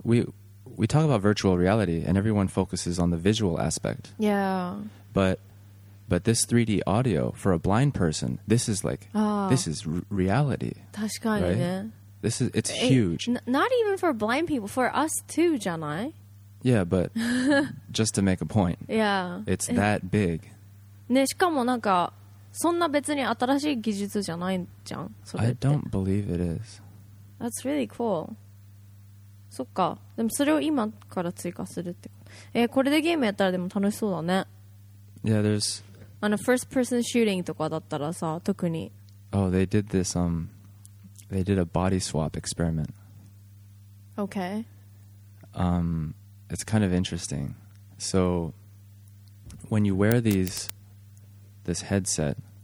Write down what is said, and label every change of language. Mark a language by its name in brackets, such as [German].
[English] We talk about virtual reality and everyone focuses on the visual aspect. Yeah. But But this 3D audio for a blind person, this is like, this is reality. [Japanese] 確かにね。 [English] Right? This is, it's huge. Not even for blind people, for us too, [Japanese] じゃない? [English] Yeah, but just to make a point. Yeah. It's that big. [Japanese] ね、しかもなんかそんな別に新しい技術じゃないじゃん。 [English] I don't believe it is. That's really cool. [Japanese] そっか。でもそれを今から追加するってこと。これでゲームやったらでも楽しそうだね。 [English] Yeah, there's... [Japanese] あの first person shooting とかだったらさ、特に。 [English] Oh, they did this, they did a body swap experiment. Okay. It's kind of interesting. So, when you wear these... this headset.